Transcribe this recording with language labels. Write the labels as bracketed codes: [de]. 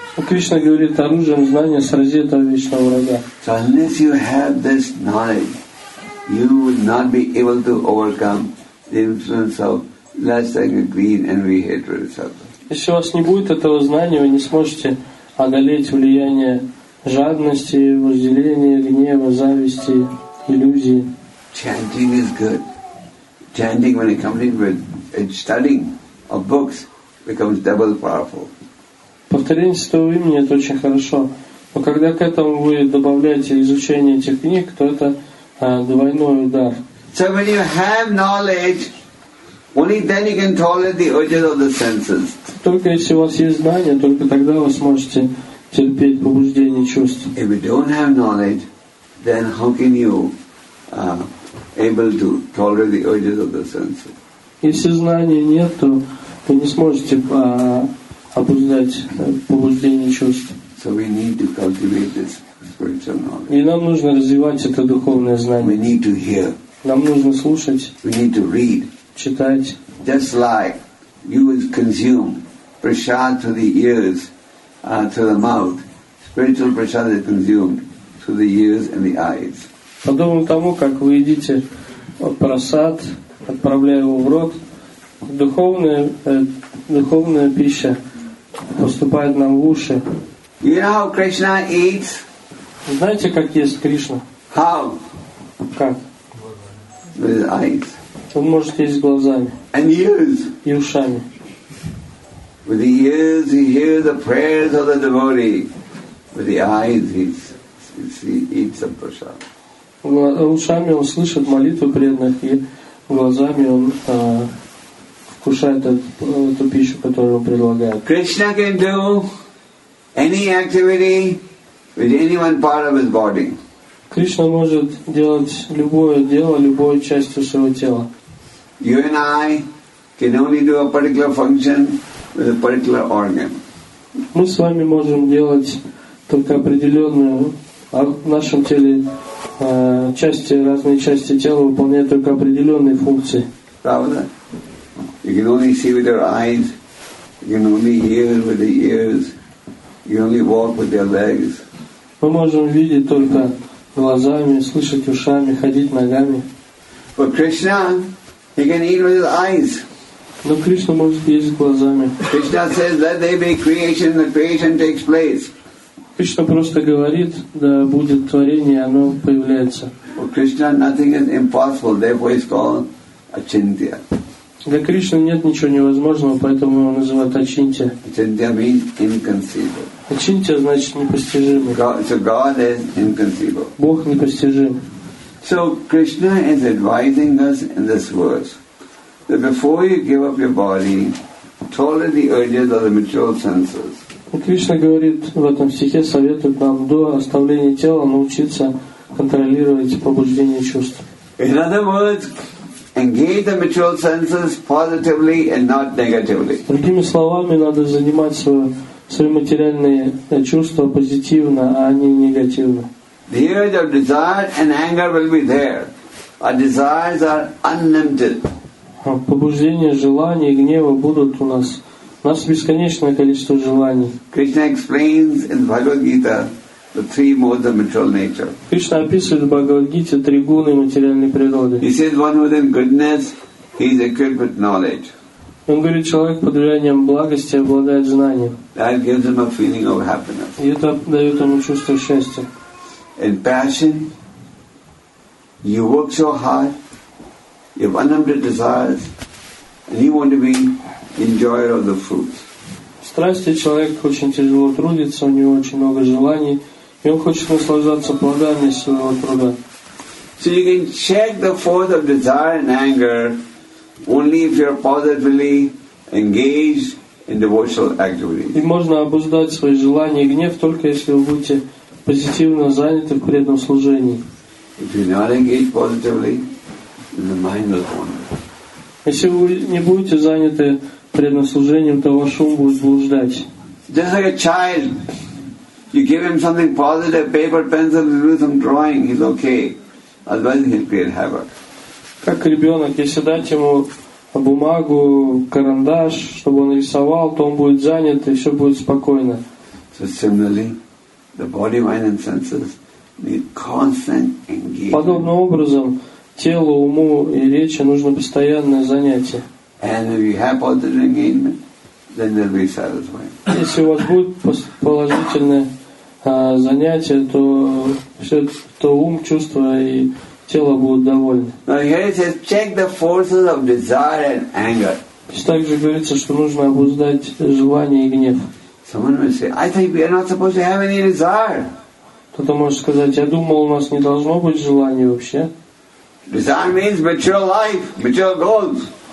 [ru] Кришна говорит, оружием знания срази этого вечного врага. [en] So unless you have this knowledge, you will not be able to overcome the influence of lust, anger, greed, envy, hatred, etc. [ru] Если у вас не будет этого знания, вы не сможете одолеть влияние жадности, вожделения, гнева, зависти, иллюзии. [en] Chanting is good. Chanting when accompanied with studying of books becomes double powerful. [ru] Повторение святого имени — это очень хорошо. Но когда к этому вы добавляете изучение этих книг, то это двойной удар. [en] So when you have knowledge, only then you can tolerate the urges of the senses. [ru] Только если у вас есть знания, только тогда вы сможете терпеть побуждение чувств. [en] If you don't have knowledge, then how can you able to tolerate the urges of the senses? [ru] Если знания нет, то вы не сможете обуздать побуждение чувств. [en] So we need to cultivate this spiritual knowledge. [ru] И нам нужно развивать это духовное знание. [en] We need to hear. [ru] Нам нужно слушать. [en] We need to read. [ru] Читать. [en] Just like you would consume prasad through the ears, through the mouth, spiritual prasad is consumed through the ears and the eyes. [ru] Подобно тому, как вы едите прасад, отправляя его в рот, духовная пища поступает нам в уши. [en] You know how Krishna eats? [ru] Знаете, как ест Кришна? [en] How? [ru] Как? [en] With his eyes. [ru] Он может есть глазами. [en] And ears. [ru] И ушами. [en] With the ears he hears the prayers of the devotee. With the eyes he eats the prasad. [ru] Ушами он слышит молитвы преданных, и глазами он вкушает эту пищу, которую он предлагает. [en] Krishna can do any activity with any one part of his body. [ru] Кришна может делать любое дело, любой частью своего тела. [en] You and I can only do a particular function with a particular organ. [ru] Мы с вами можем делать только определенную в нашем теле части, разные части тела выполняют только определенные функции. Правда? [en] You can only see with their eyes, you can only hear with their ears, you can only walk with their legs. [ru] Мы можем видеть только глазами, слышать ушами, ходить ногами. [en] But Krishna, he can eat with his eyes. [ru] Но Кришна может есть глазами. [en] Krishna says, let there be creation, the creation takes place. [ru] Кришна просто говорит, да будет творение, оно появляется. [en] For Krishna, nothing is impossible, therefore it's called Achintya. [ru] Для Кришны нет ничего невозможного, поэтому его называют Ачинтья. [en] Ачинтья means inconceivable. [ru] Ачинтья значит непостижимый. [en] So God is inconceivable. [ru] Бог непостижим. [en] So Krishna is advising us in this verse that before you give up your body, totally the urges of the material senses. [ru] Кришна говорит в этом стихе, советует нам до оставления тела научиться контролировать побуждение чувств. [en] In other words, engage the material senses positively and not negatively. [ru] Другими словами, надо занимать свои материальные чувства позитивно, а не негативно. [en] The urge of desire and anger will be there. Our desires are unlimited. [ru] Побуждение, желание, гнева будут у нас. У нас бесконечное количество желаний. [en] Krishna explains in Bhagavad Gita the three modes of material nature. [ru] Кришна описывает в Бхагавад-гите три гуны материальной природы. [en] He says one who is in goodness, he is equipped with knowledge. [ru] Он говорит, человек под влиянием благости обладает знанием. [en] That gives him a feeling of happiness. [ru] И это дает ему чувство счастья. [en] In passion, you work so hard, you have unlimited desires, and you want to be enjoyer of the fruits. [ru] В страсти человек очень тяжело трудится, у него очень много желаний. И он хочет наслаждаться плодами своего труда. [en] So you can check the force of desire and anger only if you are positively engaged in devotional activities. [ru] И можно обуздать свои желания и гнев только если вы будете позитивно заняты в преданном служении. [en] If you're not engaged positively, then the mind will wander. [ru] Если вы не будете заняты преданным служением, то ваш ум будет блуждать. [en] Just like a child. You give him something positive, paper, pencil, you do some drawing, he's okay. Otherwise he'll create havoc. [ru] Как ребенок, если дать ему бумагу, карандаш, чтобы он рисовал, то он будет занят и все будет спокойно. [en] So similarly, the body, mind and senses need constant engagement. [ru] Подобным образом, телу, уму и речи нужно постоянное занятие. [en] And if you have positive engagement, then they'll be satisfied. [ru] Если у вас будет положительное занятие, то все, то ум, чувства и тело будут довольны. [en] Now here it says, check the forces of desire and anger. [ru] Также говорится, что нужно обуздать желание и гнев. [en] Someone may say, I think we are not supposed to have any desire. [ru] Кто-то может сказать, я думал, у нас не должно быть желания вообще. [en] Desire means material life, material goals.